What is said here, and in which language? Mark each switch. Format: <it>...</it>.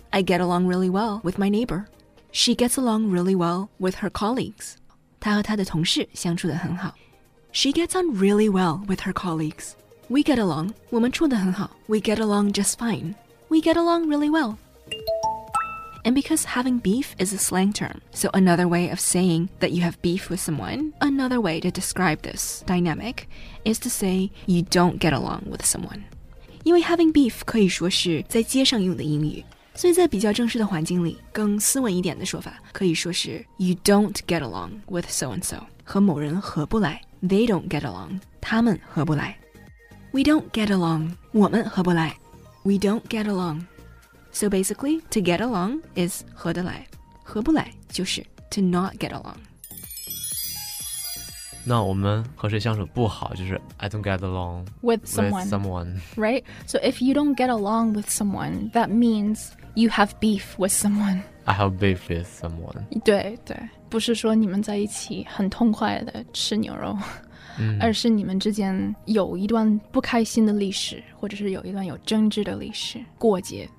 <en>I get along really well with my neighbor. She gets along really well with her colleagues.</en> <zh>她和她的同事相处得很好。</zh> <en>She gets on really well with her colleagues. We get along.</en> <zh>我们处得很好。</zh> <en>We get along just fine. We get along really well. And because having beef is a slang term, so another way of saying that you have beef with someone, another way to describe this dynamic is to say you don't get along with someone.</en> <zh>因为 having beef 可以说是在街上用的英语，所以在比较正式的环境里，更斯文一点的说法可以说是</zh> <en>you don't get along with so and so，</en> <zh>和某人合不来。</zh> <en>They don't get along，</en> <zh>他们合不来。</zh> <en>We don't get along.</en> <zh>我们合不来。</zh> <en>We don't get along. So basically, to get along is 合得来。</en> <zh>合不来就是</zh> <en>to not get along.</en> <zh>那我们和谁相处不好就是</zh> <en>I don't get along with someone. Right? So if you don't get along with someone, that means you have beef with someone. I have beef with someone.</en> <zh>对对。不是说你们在一起很痛快的吃牛肉。而是你们之间有一段不开心的历史或者是有一段有争执的历史过节</zh>